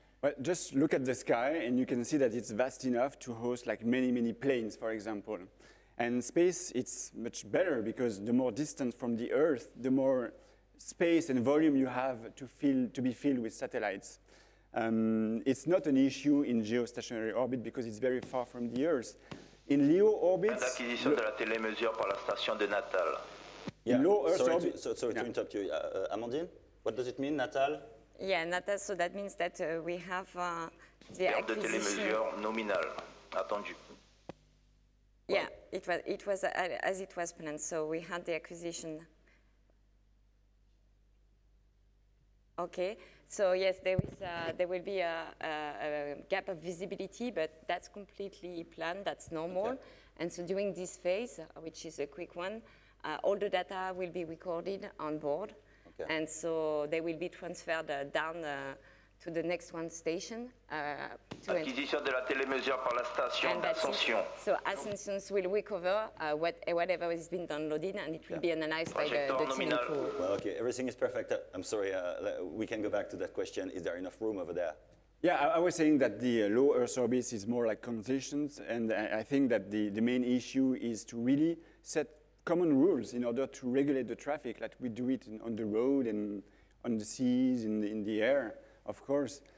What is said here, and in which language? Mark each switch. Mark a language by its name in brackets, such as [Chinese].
[English] Well, just look at the sky and you can see that it's vast enough to host like many, many planes, for example. And space, it's much better because the more distance from the Earth, the more space and volume you have to be filled with satellites. It's not an issue in geostationary orbit because it's very far from the Earth. In LEO orbits... [French] L'acquisition de la télémesure par la station de Natal. [English] Yeah. In low Earth to interrupt you, Amandine? What does it mean, Natal? Yeah, Natal, so that means that we have the acquisition... [French] ...de télémesure nominal, attendu. [English] Yeah, well. it was as it was planned, so we had the acquisition. Okay, so yes, there will be a gap of visibility, but that's completely planned, that's normal. Okay. And so during this phase, which is a quick one, all the data will be recorded on board. Okay. And so they will be transferred down to the next one station. [French] Acquisition de la télémesure par la station d'Ascension. [English] So Ascension will recover whatever has been downloaded, and it will be analyzed by the team. Well, okay, everything is perfect. I'm sorry, we can go back to that question. Is there enough room over there? Yeah, I was saying that the low Earth orbit is more like conditions, and I think that the main issue is to really set common rules in order to regulate the traffic, like we do it on the road and on the seas, in the air, of course.